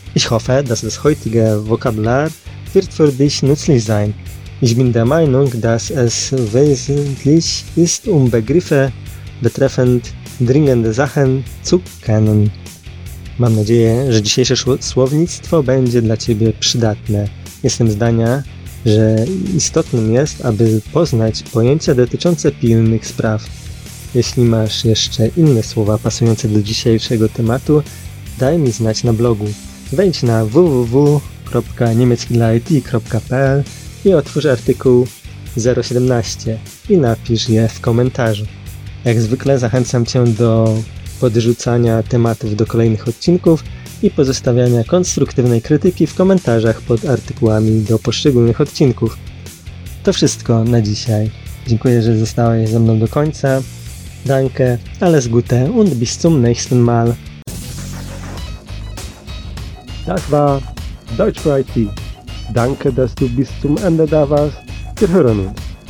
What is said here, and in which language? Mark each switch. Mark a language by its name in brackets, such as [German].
[German] Ich hoffe, dass das heutige Vokabular wird für dich nützlich sein. Ich bin der Meinung, dass es wesentlich ist, um Begriffe betreffend dringende Sachen zu kennen. [Polish] Mam nadzieję, że dzisiejsze słownictwo będzie dla Ciebie przydatne. Jestem zdania, że istotnym jest, aby poznać pojęcia dotyczące pilnych spraw. Jeśli masz jeszcze inne słowa pasujące do dzisiejszego tematu, daj mi znać na blogu. Wejdź na www.niemieckidlaIT.pl i otwórz artykuł 017 i napisz je w komentarzu. Jak zwykle zachęcam Cię do podrzucania tematów do kolejnych odcinków i pozostawiania konstruktywnej krytyki w komentarzach pod artykułami do poszczególnych odcinków. To wszystko na dzisiaj. Dziękuję, że zostałeś ze mną do końca. [German] Danke, alles Gute und bis zum nächsten Mal. Das war Deutsch für IT. Danke, dass du bis zum Ende da warst. Wir hören uns.